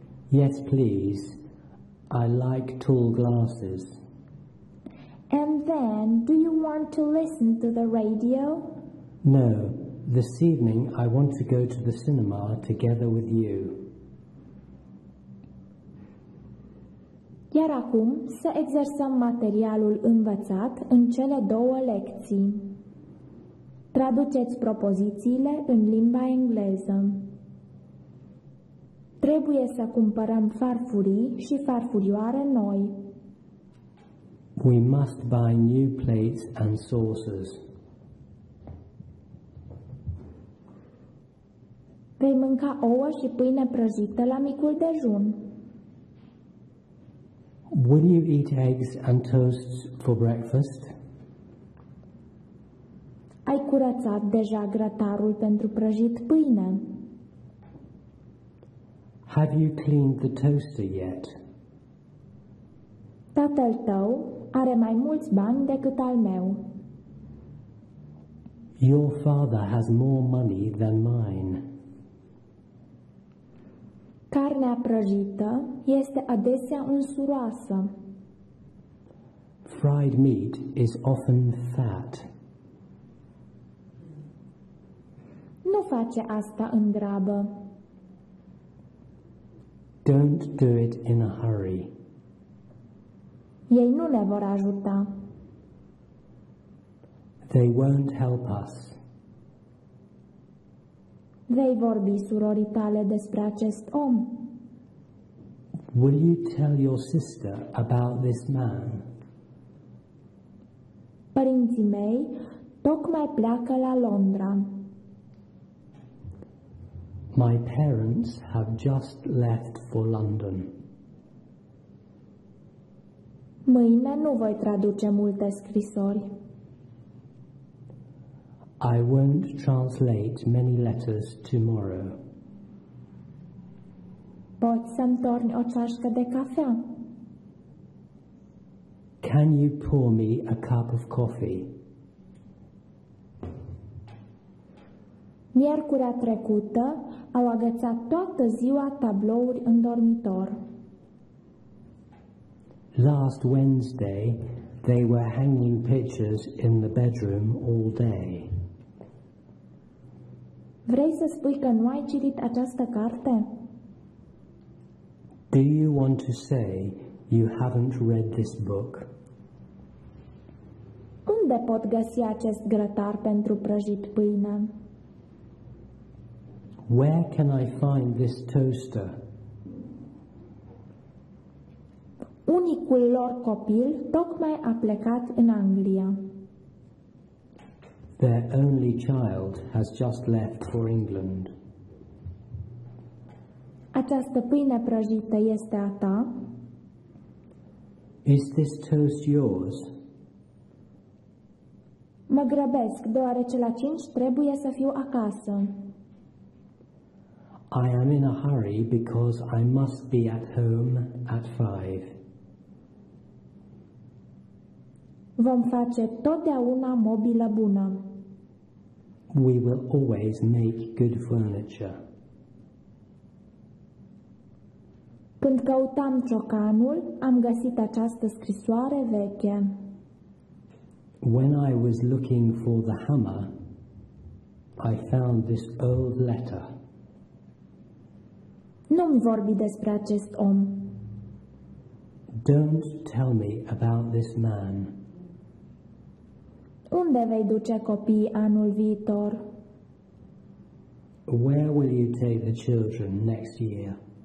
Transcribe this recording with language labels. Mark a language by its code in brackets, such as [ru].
[en] Yes, please. I like tall glasses. And then, do you want to listen to the radio? No. This evening, I want to go to the cinema together with you. [ro] Iar acum, să exersăm materialul învățat în cele două lecții. Traduceți propozițiile în limba engleză. Trebuie să cumpărăm farfurii și farfurioare noi. [en] We must buy new plates and saucers. [ro] Vei mânca ouă și pâine prăjită la micul dejun. [en] Will you eat eggs and toast for breakfast? [ro] Ai curățat deja grătarul pentru prăjit pâine? [en] Have you cleaned the toaster yet? [ro] Tatăl tău are mai mulți bani decât al meu. [en] Your father has more money than mine. [ro] Carnea prăjită este adesea unsuroasă. [en] Fried meat is often fat. [ro] Nu face asta în grabă. [en] Don't do it in a hurry. [ro] Ei nu ne vor ajuta. [en] They won't help us. [ro] Vei vorbi surorii tale despre acest om? [en] Will you tell your sister about this man? [ro] Părinții mei tocmai pleacă la Londra. [en] My parents have just left for London. [ro] Mâine nu voi traduce multe scrisori. [en] I won't translate many letters tomorrow. [ro] Poți să-mi torni o ceașcă de cafea? [en] Can you pour me a cup of coffee? [ro] Miercurea trecută au agățat toată ziua tablouri în dormitor. [en] Last Wednesday, they were hanging pictures in the bedroom all day. [ro] Vrei să spui că nu ai citit această carte? [en] Do you want to say you haven't read this book? [ro] Unde pot găsi acest grătar pentru prăjit pâine? [en] Where can I find this toaster? [ro] Unicul lor copil tocmai a plecat în Anglia. [en] Their only child has just left for England. [ro] Această pâine prăjită este a ta? [en] Is this toast yours? [ro] Mă grăbesc, deoarece la 5 trebuie să fiu acasă. [en] I am in a hurry because I must be at home at 5. [ro] Vom face totdeauna mobilă bună. [en] We will always make good furniture. [ro] Când căutam ciocanul, am găsit această scrisoare veche. [en] When I was looking for the hammer, I found this old letter. [ro] Nu-mi vorbi despre acest om. [en] Don't tell me about this man. [ro] Unde vei duce copiii anul viitor? [en] Where will you take the children next year?